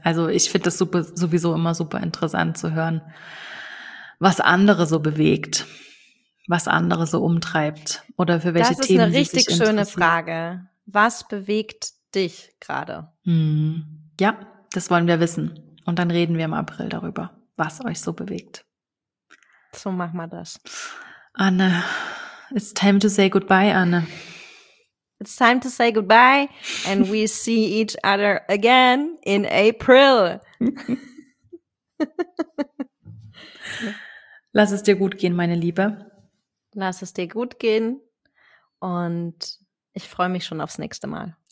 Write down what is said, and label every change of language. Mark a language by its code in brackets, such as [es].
[de] Also ich finde das super, sowieso immer super interessant zu hören, was andere so bewegt, was andere so umtreibt oder für welche Themen. Das ist eine richtig schöne Frage. Was bewegt dich gerade? Mhm. Ja, das wollen wir wissen. Und dann reden wir im April darüber, was euch so bewegt. So machen wir das. [en] Anne, it's time to say goodbye, Anne. It's time to say goodbye and we see each other again in April. [de] Lass es dir gut gehen, meine Liebe. Lass es dir gut gehen und ich freue mich schon aufs nächste Mal.